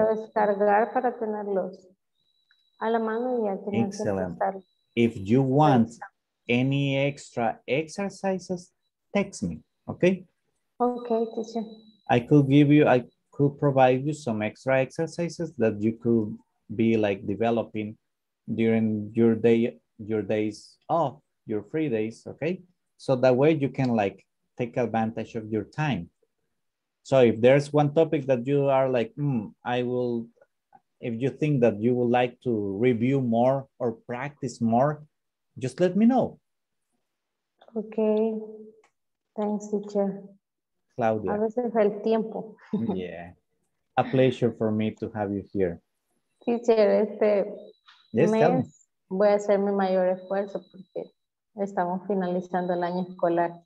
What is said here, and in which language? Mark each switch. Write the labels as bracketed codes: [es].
[es] Los voy a descargar para tenerlos a la mano y a tener. [en] Excellent. If you want any extra exercises, text me, okay? Okay, teacher. I could provide you some extra exercises that you could be like developing during your day, your days off, your free days, okay? So that way you can like take advantage of your time. So if there's one topic that you are like, if you think that you would like to review more or practice more, just let me know. Okay, thanks, teacher. Claudia. [es] A veces el tiempo. [en] Yeah, a pleasure for me to have you here. Teacher, yes, mes tell me. [es] Voy a hacer mi mayor esfuerzo porque estamos finalizando el año escolar.